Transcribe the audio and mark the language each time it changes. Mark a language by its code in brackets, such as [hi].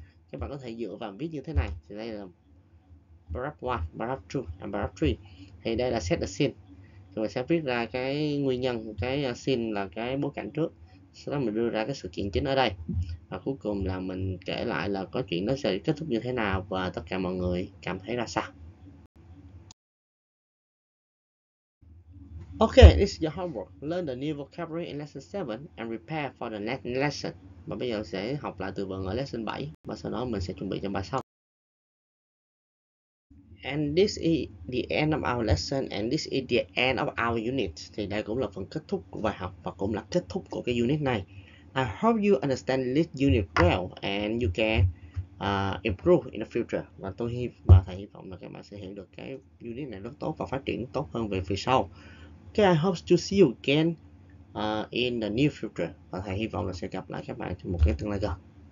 [vi] Các bạn có thể dựa vào viết như thế này, thì đây là paragraph 1, paragraph 2 and paragraph 3, thì đây là set the scene. Thì mình sẽ viết ra cái nguyên nhân, cái scene là cái bối cảnh trước, sau đó mình đưa ra cái sự kiện chính ở đây, và cuối cùng là mình kể lại là có chuyện nó sẽ kết thúc như thế nào và tất cả mọi người cảm thấy ra sao. [en] Okay, this is your homework. Learn the new vocabulary in lesson 7 and prepare for the next lesson. [vi] Và bây giờ sẽ học lại từ vựng ở lesson 7 và sau đó mình sẽ chuẩn bị cho bài sau. [en] And this is the end of our lesson and this is the end of our unit. [vi] Thì đây cũng là phần kết thúc của bài học và cũng là kết thúc của cái unit này. [en] I hope you understand this unit well and you can improve in the future. [vi] Và tôi hy và thầy hy vọng là các bạn sẽ hiểu được cái unit này rất tốt và phát triển tốt hơn về phía sau. [en] Okay, I hope to see you again in the near future. [vi] Và thầy hy vọng là sẽ gặp lại các bạn trong một cái tương lai gần.